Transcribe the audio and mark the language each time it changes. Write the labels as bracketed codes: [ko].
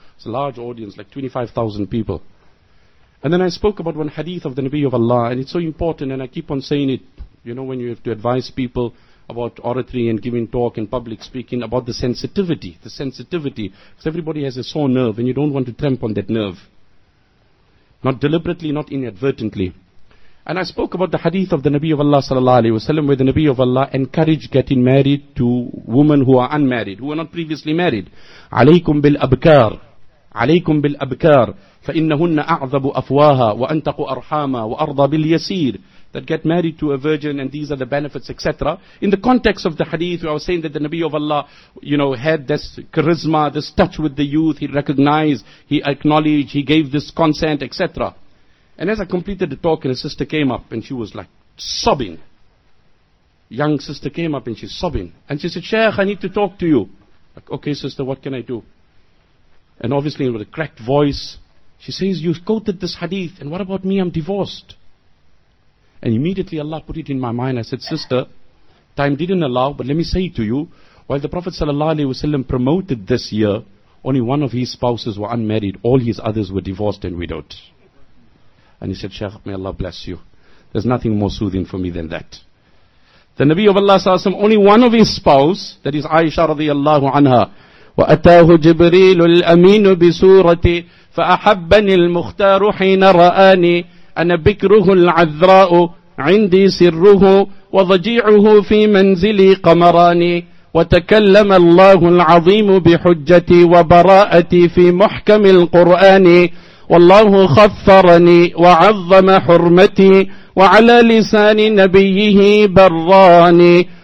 [en] It's a large audience, like 25,000 people. And then I spoke about one hadith of the Nabi of Allah, and it's so important, and I keep on saying it, you know, when you have to advise people about oratory and giving talk and public speaking, about the sensitivity, because everybody has a sore nerve, and you don't want to tramp on that nerve, not deliberately, not inadvertently. And I spoke about the hadith of the Nabi of Allah sallallahu alaihi wasallam, where the Nabi of Allah encouraged getting married to women who are unmarried, who were not previously married. [ar] عليكم بالأبكار عليكم بالأبكار فإنهن أعذب أفواها وأنتق أرحاما وأرضى باليسير. [en] That get married to a virgin and these are the benefits, etc. In the context of the hadith, we are saying that the Nabi of Allah, you know, had this charisma, this touch with the youth. He recognized, he acknowledged, he gave this consent, etc. And as I completed the talk, and a sister came up and she was like sobbing. Young sister came up and she's sobbing. And she said, Sheikh, I need to talk to you. Like, okay, sister, what can I do? And obviously with a cracked voice, she says, you quoted this hadith, and what about me? I'm divorced. And immediately Allah put it in my mind. I said, sister, time didn't allow, but let me say to you, while the Prophet sallallahu alaihi wasallam promoted this year, only one of his spouses were unmarried. All his others were divorced and widowed. And he said, Shaykh, may Allah bless you. There's nothing more soothing for me than that. The Nabi of Allah sallallahu alaihi wasallam, only one of his spouse, that is Aisha radiallahu anha, [ar] وَأَتَاهُ جِبْرِيلُ الْأَمِينُ بِسُورَةِ فَأَحَبَّنِي الْمُخْتَارُ حِينَ رَآنِي أَنَا بِكْرُهُ الْعَذْرَاءُ عِنْدِي سِرُّهُ وَضَجِيعُهُ فِي مَنْزِلِي قَمَرَانِي وَتَكَلَّمَ اللَّهُ الْعَظِيمُ بِحُجَّتِي وَبَرَاءَتِي فِي مُحْكَمِ الْقُرْآنِ وَاللَّهُ خَفَّرَنِي وَعَظَّمَ حُرْمَتِي وَعَلَى لِسَانِ نَبِيِّهِ بَرَّانِي